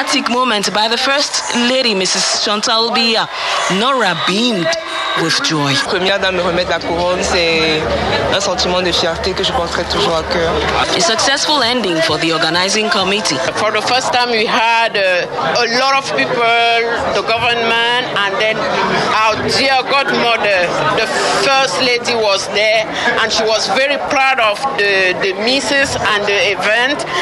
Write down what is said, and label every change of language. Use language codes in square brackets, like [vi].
[en] Moment by the First Lady, Mrs. Chantal Biya. Noura beamed with joy. [fr] Première dame me remettre la couronne, c'est un sentiment de fierté que je porterai toujours à cœur. [en] A successful ending for the organizing committee. For the first time, we had a lot of people, the government, and then our dear godmother, the first lady, was there, and she was very proud of the misses and the event.